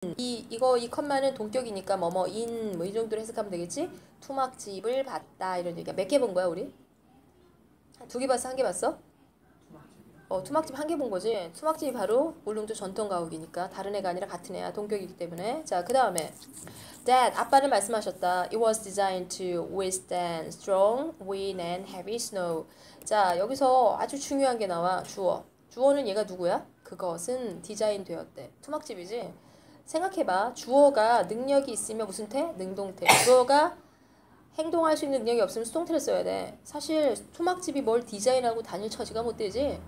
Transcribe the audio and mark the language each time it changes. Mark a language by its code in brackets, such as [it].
[ko] 이 컷만은 동격이니까 뭐뭐인 뭐이 정도로 해석하면 되겠지? 투막집을 봤다 이런 얘기야. 몇개본 거야 우리? 두개 봤어? 한개 봤어? 투막집 한개본 거지? 투막집이 바로 울릉도 전통 가옥이니까 다른 애가 아니라 같은 애야. 동격이기 때문에. 자, 그 다음에 Dad, 아빠는 말씀하셨다. [en] It was designed to withstand strong wind and heavy snow. [ko] 자, 여기서 아주 중요한 게 나와. 주어. 주어는 얘가 누구야? 그것은 디자인 되었대. 투막집이지? 생각해봐. 주어가 능력이 있으면 무슨 태? 능동태. 주어가 행동할 수 있는 능력이 없으면 수동태를 써야 돼. 사실 토막집이 뭘 디자인하고 다닐 처지가 못 되지.